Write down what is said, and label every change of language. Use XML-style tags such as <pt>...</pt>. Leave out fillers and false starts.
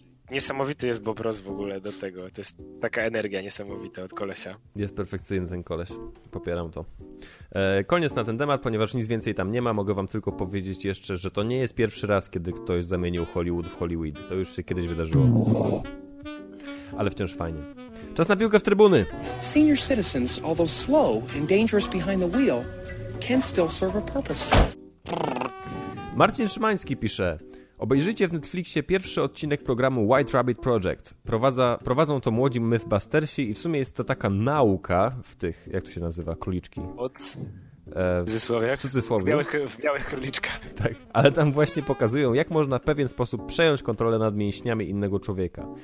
<pl>Niesamowity jest Bob Ross w ogóle do tego. To jest taka energia niesamowita od kolesia. Jest perfekcyjny ten koleś. Popieram to. Koniec na ten temat, ponieważ nic więcej tam nie ma. Mogę wam tylko powiedzieć jeszcze, że to nie jest pierwszy raz, kiedy ktoś zamienił Hollywood w Hollywood. To już się kiedyś wydarzyło. Ale wciąż fajnie. Czas na piłkę w trybuny.</pl> <en>Senior citizens, although slow and dangerous behind the wheel, can still serve a purpose.</en> <pl>Marcin Szymański pisze... Obejrzyjcie w Netflixie pierwszy odcinek programu White Rabbit Project. Prowadzą to młodzi MythBustersi i w sumie jest to taka nauka w tych, jak to się nazywa, króliczki. What? W cudzysłowie. W białych króliczkach. Tak, ale tam właśnie pokazują, jak można w pewien sposób przejąć kontrolę nad mięśniami innego człowieka.</pl>